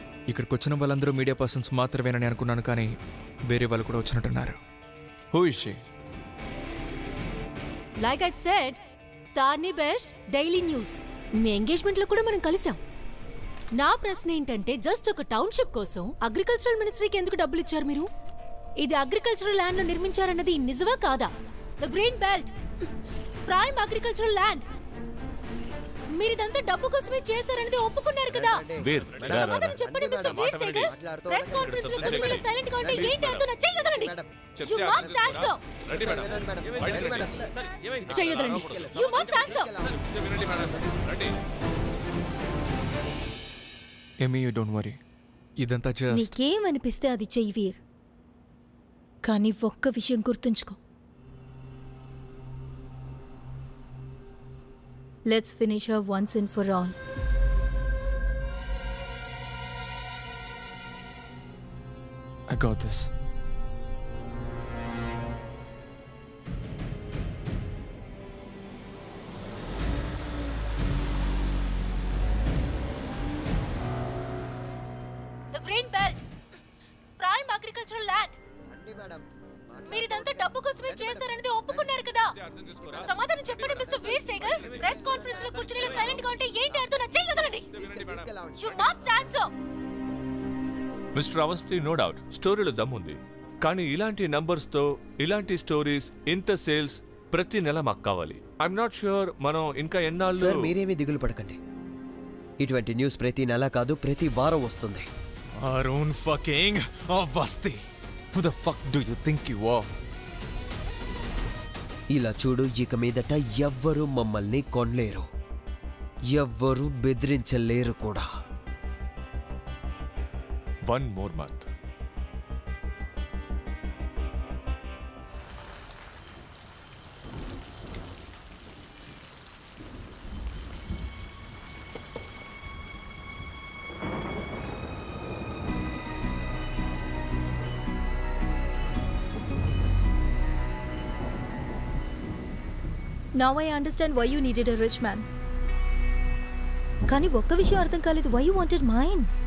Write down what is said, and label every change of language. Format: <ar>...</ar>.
<te>ఇక్కడ కొచ్చిన వాళ్ళందరూ media persons మాత్రమేనని అనుకున్నాను, కానీ వేరే వాళ్ళు కూడా వచ్చినట్టున్నారు.</te> <en>Who is she? Like I said, Tarni Best, Daily News.</en> <te>మీ ఎంగేజ్మెంట్లో కూడా మనం కలిసాం. నా ప్రశ్న ఏంటంటే, జస్ట్ ఒక టౌన్షిప్ కోసం అగ్రికల్చరల్ మినిస్ట్రీకి ఎందుకు డబ్బులు ఇచ్చారు మీరు? ఇది అగ్రికల్చరల్ ల్యాండ్ లో నిర్మించారన్నది నిజమా కాదా?</te> <en>The Green Belt, prime agricultural land.</en> <te>మీరిదంతా డబ్బు కోసమే చేశారనేది ఒప్పుకున్నారు కదా? వీర్, సమాధానం చెప్పండి మిస్టర్ వీర్ సేగల్. ప్రెస్ కాన్ఫరెన్స్ లో కొంచెం ఇలా సైలెంట్ గా ఉంటే ఏంటి అంటూ నచ్చే కదండి.</te> <en>You must answer.</en> <te>రండి మేడం,</te> <en>చేయొద్దండి. You must</en> <te>answer. రండి.</te> <en>Amy, you don't worry, ఇదంతా just.</en> <te>నీకేం అనిపిస్తే అది చెయ్యి వీర్. కానీ ఒక్క విషయం గుర్తుంచుకో.</te> <en>Let's finish her once and for all. I got this. The Green Belt, prime agricultural land.</en> <te>అండి మేడం, మీరిదంతా డబ్బు కోసమే చేశారనేది ఒప్పుకున్నారు కదా? సమాధానం చెప్పండి మిస్టర్ వీర్ సేగల్. ప్రెస్ కాన్ఫరెన్స్ లో కూర్చుని ఇలా సైలెంట్ గా ఉంటే ఏంటి అంటూ నచ్చే కదండి.</te> <en>You must answer.</en> <te>Mister Awasthi,</te> <en>no doubt</en> <te>స్టోరీలో దమ్ ఉంది, కానీ ఇలాంటి నంబర్స్ తో ఇలాంటి స్టోరీస్ ఇంత సేల్స్ ప్రతి నెల మాకు కావాలి.</te> <en>I'm not sure</en> <te>మనం ఇంకా ఎన్నాళ్ళు. సార్, మీరేమీ దిగులు పడకండి, ఇటువంటి న్యూస్ ప్రతి నెల కాదు ప్రతి వారం వస్తుంది.</te> <en>Arun fucking Awasthi, who the fuck do you think you are?</en> <te>ఇలా చూడు, ఇక మీదట ఎవ్వరు మమ్మల్ని కొనలేరు, ఎవ్వరు బెదిరించలేరు కూడా.</te> <en>One more month. Now I understand why you needed a rich man.</en> <te>కానీ ఒక్క విషయం అర్థం కాలేదు,</te> <en>why you wanted mine?</en>